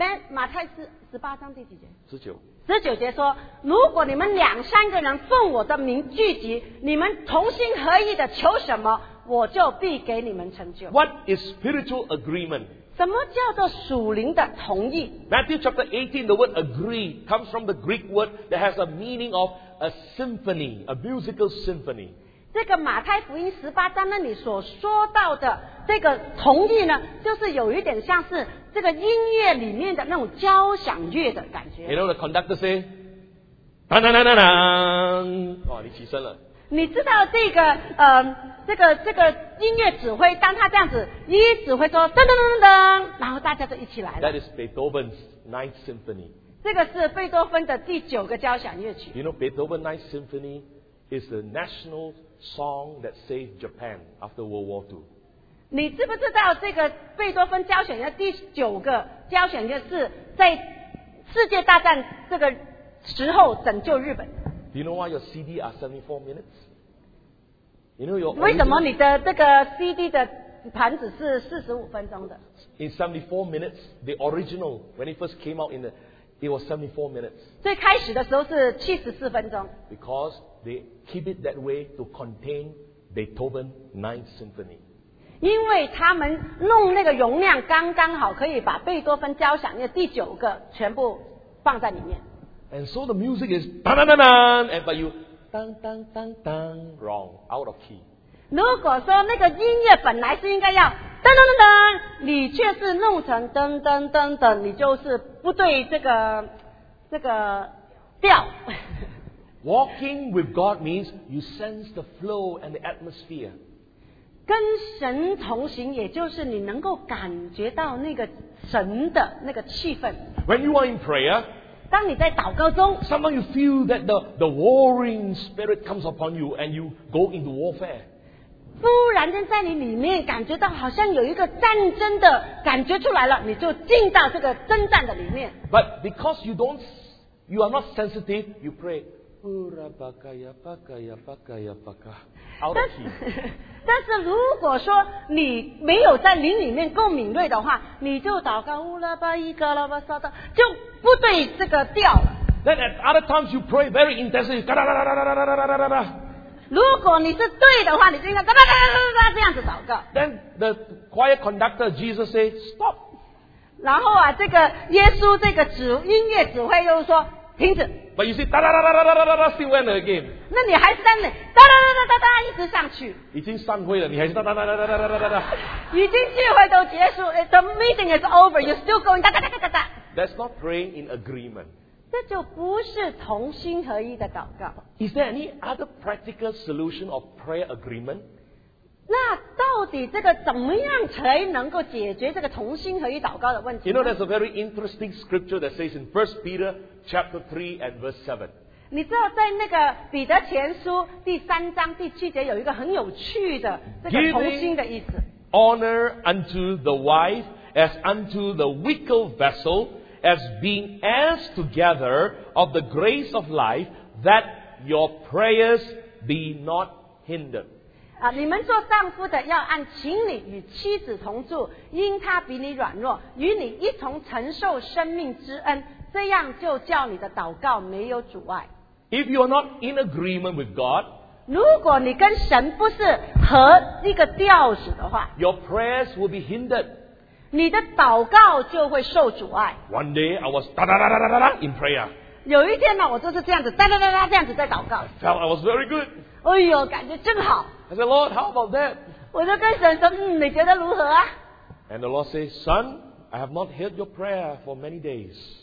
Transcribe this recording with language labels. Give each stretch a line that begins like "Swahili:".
Chinese: 马太斯十八章第几节十九十九节说如果你们两三个人奉我的名聚集你们同心合意的求什么我就必给你们成就
English: What is spiritual agreement?
Chinese: 什么叫做属灵的同意
English: Matthew chapter 18 the word agree comes from the Greek word that has a meaning of a symphony a musical symphony
Chinese: 这个马太福音十八章那里所说到的这个同意呢就是有一点像是这个音乐里面的那种交响乐的感觉
English: You know the conductor say
Chinese: 当当当当当哇你起身了你知道这个这个音乐指挥当他这样子一指挥说噔噔噔噔噔然后大家就一起来了
English: That is Beethoven's Ninth Symphony
Chinese: 这个是贝多芬的第九个交响乐曲
English: You know Beethoven's Ninth Symphony is the national song that saved Japan after World War II
Chinese: 你知不知道这个贝多芬交响乐第九个交响乐是在世界大战这个时候拯救日本
English: Do you know why your CD are 74 minutes? You know your
Chinese: 为什么你的这个 CD 的盘子是45分钟的
English: In 74 minutes, the original, when it first came out, it was 74 minutes.
Chinese: 最开始的时候是74分钟
English: Because they keep it that way to contain Beethoven's Ninth Symphony.
Chinese: 因为他们弄那个容量刚刚好可以把贝多芬交响乐第九个全部放在里面。
English: And so the music is dun dun dun dun, and but you dun dun dun dun wrong, out of key.
Chinese: 如果说那个音乐本来是应该要噔噔噔噔，你却是弄成噔噔噔噔，你就是不对这个调。
English: Walking with God means you sense the flow and the atmosphere.
Chinese: 跟神同行，也就是你能够感觉到那个神的那个气氛。
English: When you are in prayer.
Chinese: 当你在祷告中
English: Sometimes you feel that the warring spirit comes upon you and you go into warfare.
Chinese: 忽然间在你里面感觉到好像有一个战争的感觉出来了你就进到这个征战的里面。
English: But because you are not sensitive, you pray, Urabakaya, Bakaya, Bakaya, Baka. Out of key.
Chinese: 但是如果说你没有在灵里面够敏锐的话你就祷告乌拉巴伊格拉巴萨的就不对这个调了
English: Then at other times you pray very intensely 嘎哒哒哒哒哒哒哒哒哒哒哒哒
Chinese: 如果你是对的话你就应该哒哒哒哒哒这样子祷告
English: Then the choir conductor Jesus say stop
Chinese: 然后啊这个耶稣这个音乐指挥又说停止
English: But you see 哒哒哒哒哒哒哒哒 still went again
Chinese: 那你还是在那哒哒哒哒哒哒一直上去已经散会了你还是哒哒哒哒哒哒哒哒哒哒已经聚会都结束
English: The meeting is over You're still going 哒哒哒哒哒哒 That's not praying in agreement
Chinese: 这就不是同心合一的祷告
English: Is there any other practical solution of prayer agreement?
Chinese: 那到底这个怎么样才能够解决这个同心合一祷告的问题
English: You know there's a very interesting scripture that says in 1 Peter chapter 3 and verse 7
Chinese: 你知道在那个彼得前书第三章第七节有一个很有趣的这个同心的意思
English: Honor unto the wife as unto the weaker vessel as being heirs together of the grace of life that your prayers be not hindered
Chinese: 啊，你们做丈夫的要按情理与妻子同住因他比你软弱与你一同承受生命之恩这样就叫你的祷告没有阻碍。
English: If you are not in agreement with God,
Chinese: 如果你跟神不是合一个调子的话
English: ，your prayers will be hindered.
Chinese: 你的祷告就会受阻碍。
English: One day I was da da da da da da in prayer.
Chinese: 有一天呢，我就是这样子哒哒哒哒这样子在祷告。
English: I felt I was very good.
Chinese: 哎呦，感觉真好。
English: I said, Lord, how about that?
Chinese: 我就跟神说，你觉得如何啊
English: ？And the Lord says, Son, I have not heard your prayer for many days.